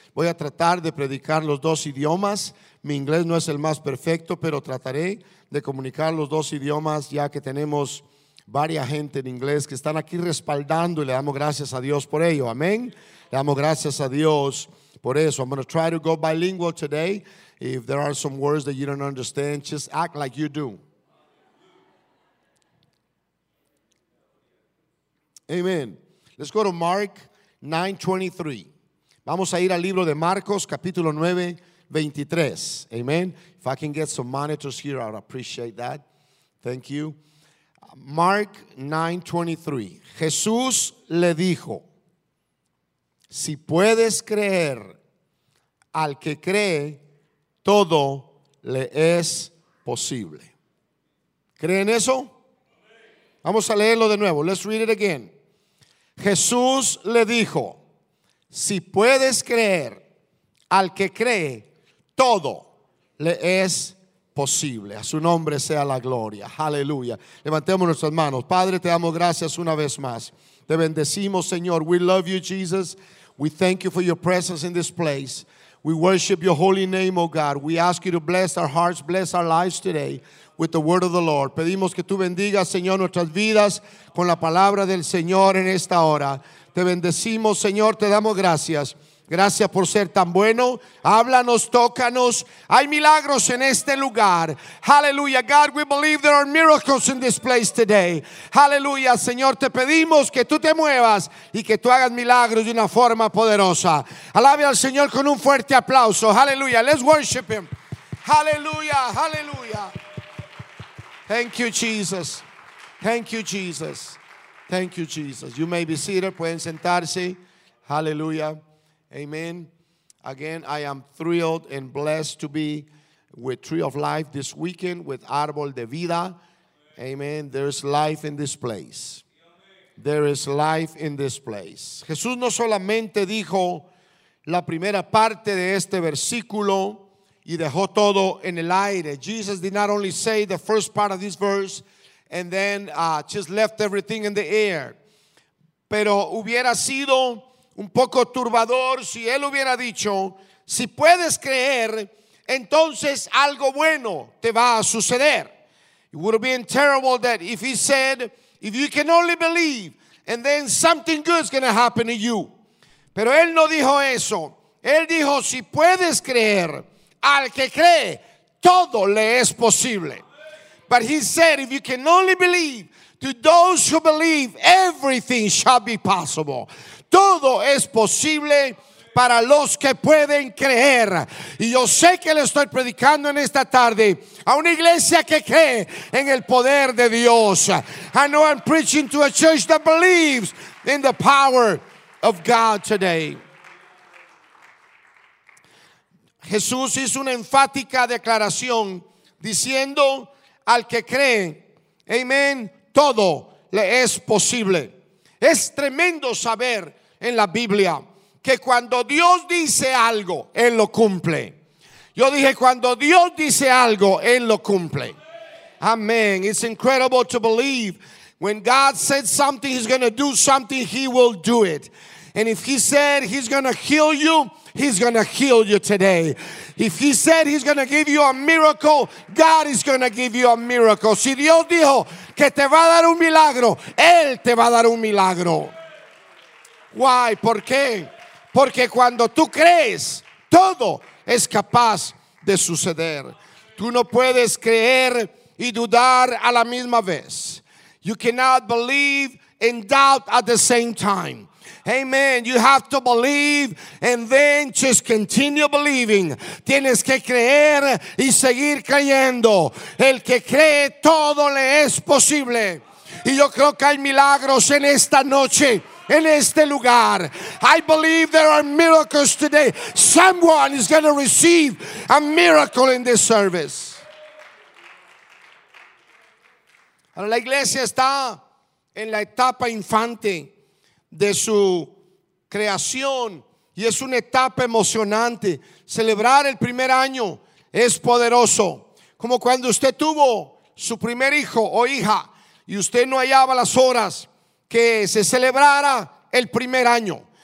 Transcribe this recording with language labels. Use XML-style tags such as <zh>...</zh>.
<es>Voy a tratar de predicar los dos idiomas. Mi inglés no es el más perfecto, pero trataré de comunicar los dos idiomas, ya que tenemos varias gente en inglés que están aquí respaldando, y le damos gracias a Dios por ello. Amén. Le damos gracias a Dios por eso.</es> <en>I'm going to try to go bilingual today. If there are some words that you don't understand, just act like you do. Amen. Let's go to Mark 9:23.</en> <es>Vamos a ir al libro de Marcos, capítulo 9, 23. Amen.</es> <en>If I can get some monitors here, I'd appreciate that. Thank you. Mark 9:23.</en> <es>Jesús le dijo, si puedes creer, al que cree, todo le es posible. ¿Creen eso? Vamos a leerlo de nuevo.</es> <en>Let's read it again.</en> <es>Jesús le dijo, si puedes creer, al que cree, todo le es posible. A su nombre sea la gloria. Aleluya. Levantemos nuestras manos. Padre, te damos gracias una vez más. Te bendecimos, Señor.</es> <en>We love you, Jesus. We thank you for your presence in this place. We worship your holy name, oh God. We ask you to bless our hearts, bless our lives today with the word of the Lord.</en> <es>Pedimos que tú bendigas, Señor, nuestras vidas con la palabra del Señor en esta hora. Te bendecimos, Señor, te damos gracias. Gracias por ser tan bueno. Háblanos, tócanos. Hay milagros en este lugar.</es> <en>Hallelujah. God, we believe there are miracles in this place today. Hallelujah.</en> <es>Señor, te pedimos que tú te muevas y que tú hagas milagros de una forma poderosa. Alabe al Señor con un fuerte aplauso.</es> <en>Hallelujah. Let's worship him. Hallelujah. Hallelujah. Thank you, Jesus. Thank you, Jesus. Thank you, Jesus. You may be seated.</en> <es>Pueden sentarse. Hallelujah. Amen.</es> <en>Again, I am thrilled and blessed to be with Tree of Life this weekend with Árbol de Vida. Amen. There is life in this place. There is life in this place.</en> <es>Jesús no solamente dijo la primera parte de este versículo y dejó todo en el aire.</es> <en>Jesus did not only say the first part of this verse and then just left everything in the air.</en> <es>Pero hubiera sido un poco turbador si él hubiera dicho, si puedes creer, entonces algo bueno te va a suceder.</es> <en>It would have been terrible that if he said, if you can only believe, and then something good is going to happen to you.</en> <es>Pero él no dijo eso. Él dijo, si puedes creer, al que cree, todo le es posible.</es> <en>But he said, if you can only believe, to those who believe, everything shall be possible.</en> <es>Todo es posible para los que pueden creer. Y yo sé que le estoy predicando en esta tarde a una iglesia que cree en el poder de Dios.</es> <en>I know I'm preaching to a church that believes in the power of God today.</en> <es>Jesús hizo una enfática declaración diciendo al que cree, amén, todo le es posible. Es tremendo saber en la Biblia que cuando Dios dice algo, Él lo cumple. Yo dije, cuando Dios dice algo, Él lo cumple.</es> <en>Amen. It's incredible to believe. When God said something, He's going to do something, He will do it. And if He said He's going to heal you, He's going to heal you today. If He said He's going to give you a miracle, God is going to give you a miracle.</en> <es>Si Dios dijo que te va a dar un milagro, Él te va a dar un milagro.</es> <en>Why?</en> <es>¿Por qué? Porque cuando tú crees, todo es capaz de suceder. Tú no puedes creer y dudar a la misma vez.</es> <en>You cannot believe and doubt at the same time. Amen. You have to believe and then just continue believing.</en> <es>Tienes que creer y seguir creyendo. El que cree, todo le es posible. Y yo creo que hay milagros en esta noche. En este lugar,</es> <en>I believe there are miracles today. Someone is going to receive a miracle in this service.</en> <es>La iglesia está en la etapa infante de su creación y es una etapa emocionante. Celebrar el primer año es poderoso. Como cuando usted tuvo su primer hijo o hija y usted no hallaba las horas que se celebrara el primer año.</es>